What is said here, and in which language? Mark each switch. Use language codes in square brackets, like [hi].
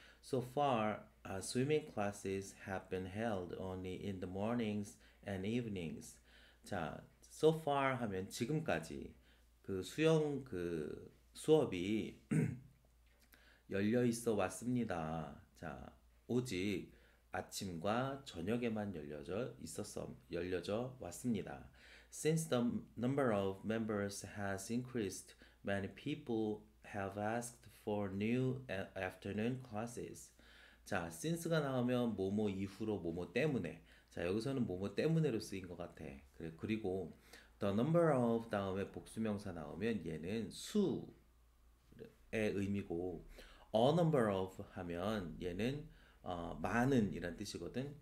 [en] So far, swimming classes have been held only in the mornings and evenings. [ko] 자, so far 하면 지금까지 그 수영 그 수업이 열려 있어 왔습니다. 자, 오직 아침과 저녁에만 열려져 왔습니다. [en] Since the number of members has increased, many people have asked for new afternoon classes. [ko] 자, since가 나오면 뭐뭐 이후로 뭐뭐 때문에. 자, 여기서는 뭐뭐 때문에로 쓰인 것 같아. 그리고 the number of 다음에 복수명사 나오면 얘는 수의 의미고, a number of 하면 얘는 많은 이란 뜻이거든.